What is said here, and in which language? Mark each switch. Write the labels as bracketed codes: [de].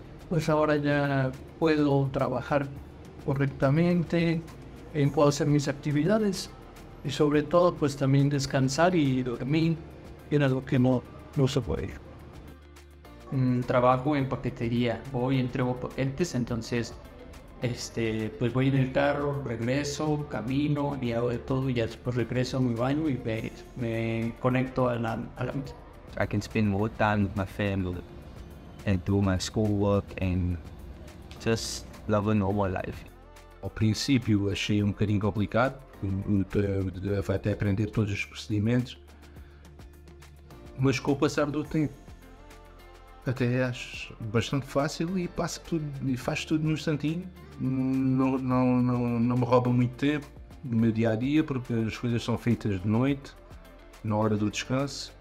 [es] Pues ahora ya puedo trabajar correctamente, puedo hacer mis actividades y sobre todo pues también descansar y dormir, que era lo que no se puede. Trabajo en paquetería, voy y entrego paquetes, entonces pues voy en el carro, regreso, camino, y hago de todo y ya después regreso a mi baño y me conecto a la mesa. [en] I can spend more time with my family and do my schoolwork and just live a normal life. [pt] Al principio achei um bocadinho complicado, vai até aprender todos os procedimentos, mas com o passar do tempo até acho bastante fácil e passa tudo e faz tudo no instantinho. Não me rouba muito tempo no meu dia a dia, porque as coisas são feitas de noite, na hora do descanso.